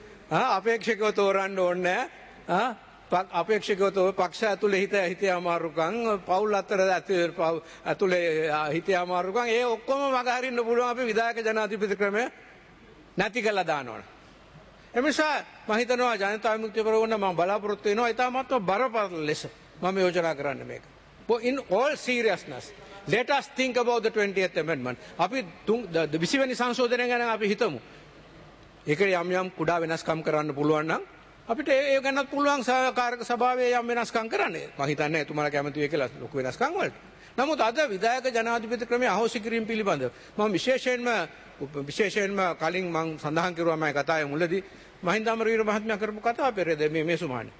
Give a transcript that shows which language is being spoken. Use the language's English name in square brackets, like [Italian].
[Sinhala] අපේක්ෂකව තෝරන්න ඕනේ. අපේක්ෂකව තෝ පක්ෂ ඇතුලේ හිතේ අමාරුකම්, පවුල් අතර ඇතුලේ හිතේ අමාරුකම්, ඒ ඔක්කොම මගහරින්න පුළුවන් අපි විධායක ජනාධිපති ක්‍රමය නැති කළා දානවන. එ නිසා මම හිතනවා ජනතා විමුක්ති පෙරමුණ මම බලාපොරොත්තු වෙනවා ඉතාමත්ම බරපතල ලෙස මම යෝජනා කරන්න මේක. [English] In all seriousness, let us think about the 20th Amendment. [Sinhala] අපි 20 වෙනි සංශෝධනය ගැන අපි හිතමු. ඒකේ යම් යම් කුඩා වෙනස්කම් කරන්න පුළුවන් නම් අපිට ඒ ගැනත් පුළුවන් සහකාරක සභාවේ යම් වෙනස්කම් කරන්න. මම හිතන්නේ එතුමාලා කැමති වෙයි කියලා ලොකු වෙනස්කම් වලට. නමුත් අද විධායක ජනාධිපති ක්‍රමයේ අහෝසි කිරීම පිළිබඳව මම විශේෂයෙන්ම කලින් මම සඳහන් කරුවා මම කතාවේ මුලදී මහින්දාමරවීර මහත්මයා කරපු කතාව පෙරේද මේ සුමානේ.